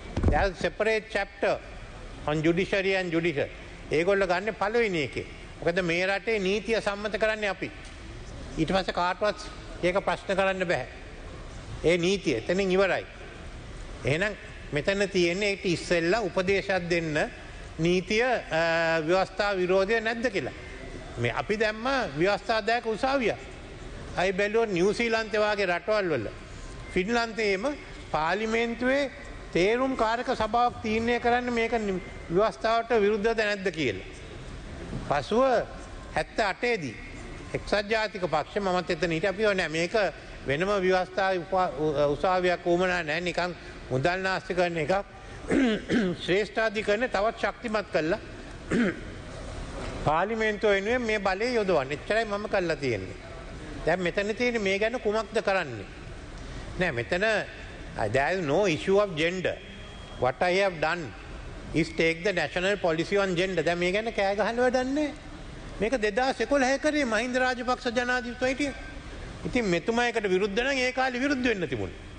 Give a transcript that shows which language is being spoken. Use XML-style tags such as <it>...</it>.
<en>There is a separate chapter on judiciary and judicial.</en> <si>ඒගොල්ල ගන්න පළවෙනි එකේ. මොකද මේ රටේ නීතිය සම්මත කරන්නේ අපි. ඊට පස්සේ කාටවත් ඒක ප්‍රශ්න කරන්න බෑ. ඒ නීතිය එතනින් ඉවරයි. එහෙනම් මෙතන තියෙන්නේ ඒක ඉස්සෙල්ලා උපදේශයක් දෙන්න නීතිය ව්‍යවස්ථා විරෝධය නැද්ද කියලා. මේ අපි දැම්ම ව්‍යවස්ථා දැක උසාවිය. අයි බැලුවා නිව්සීලන්තේ වගේ රටවල්වල. ෆින්ලන්තේම පාර්ලිමේන්තුවේ තේරුම් කාරක සභාවක් තීරණය කරන්න මේක ව්‍යවස්ථාවට විරුද්ධද නැද්ද කියලා. පසුව 78දී එක්සත් ජාතික පක්ෂ මමත් එතන හිටිය අපිව නෑ මේක වෙනම ව්‍යවස්ථා උසාවියක් වුමනා නෑ නිකන් මුදල් නාස්ති කරන එකක්. ශ්‍රේෂ්ඨාධිකරණය තවත් ශක්තිමත් කළා. පාර්ලිමේන්තුව වෙනුවෙන් මේ බලය යොදවන්න. එච්චරයි මම කළා තියෙන්නේ. දැන් මෙතන තියෙන මේ ගැන කුමක්ද කරන්නේ? නෑ මෙතන</si> <en>there is no issue of gender. What I have done is take the national policy on gender.</en> <si>දැන් මේ ගැන කෑ ගහන්න වැඩන්නේ. මේක 2011 කරේ මහින්ද රාජපක්ෂ ජනාධිපතිතුමා. ඉතින් මෙතුමයකට විරුද්ධ නම් ඒ කාලේ විරුද්ධ වෙන්න තිබුණේ.</si>